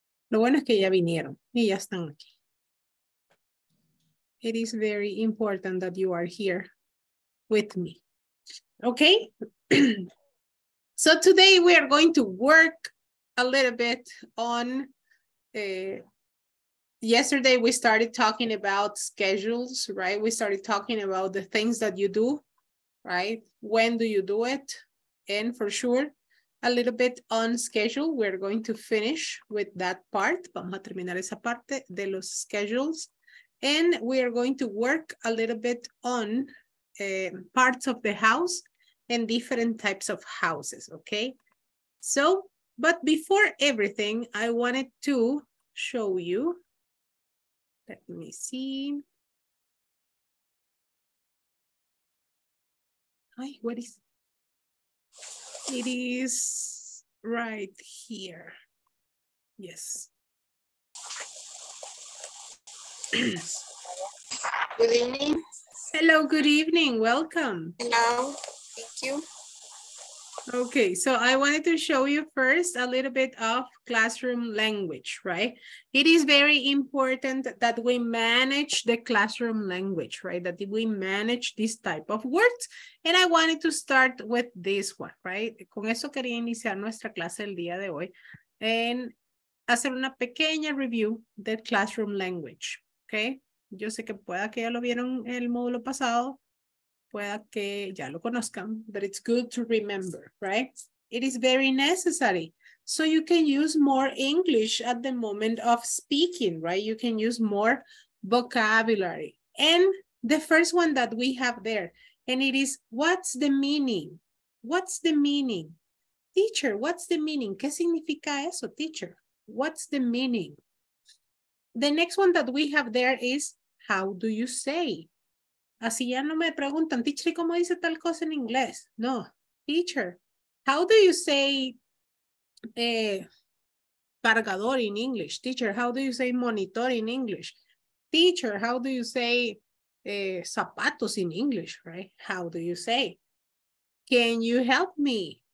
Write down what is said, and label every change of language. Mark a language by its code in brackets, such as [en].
[es] Lo bueno es que ya vinieron y ya están aquí. [en] It is very important that you are here with me. Okay? So today we are going to work a little bit on... Yesterday, we started talking about schedules, right? We started talking about the things that you do, right? When do you do it? And for sure, a little bit on schedule. We're going to finish with that part. [es] Vamos a terminar esa parte de los schedules. [en] And we are going to work a little bit on parts of the house and different types of houses, okay? So, but before everything, I wanted to show you. Let me see. Hi, what is it? It is right here. Yes. Good evening. Hello, good evening. Welcome. Hello, thank you. Okay, so I wanted to show you first a little bit of classroom language, right? It is very important that we manage the classroom language, right? That we manage this type of words. And I wanted to start with this one, right? [es] Con eso quería iniciar nuestra clase el día de hoy. And hacer una pequeña review de classroom language, okay? Yo sé que pueda que ya lo vieron en el módulo pasado. Pueda que ya lo conozcan, [en] but it's good to remember, right? It is very necessary. So you can use more English at the moment of speaking, right? You can use more vocabulary. And the first one that we have there, and it is, what's the meaning? What's the meaning? Teacher, what's the meaning? [es] ¿Qué significa eso, [en] teacher? What's the meaning? The next one that we have there is, how do you say? [es] Así ya no me preguntan, teacher, ¿cómo dice tal cosa en inglés? [en] No, teacher, how do you say cargador in English? Teacher, how do you say monitor in English? Teacher, how do you say zapatos in English, right? How do you say? Can you help me?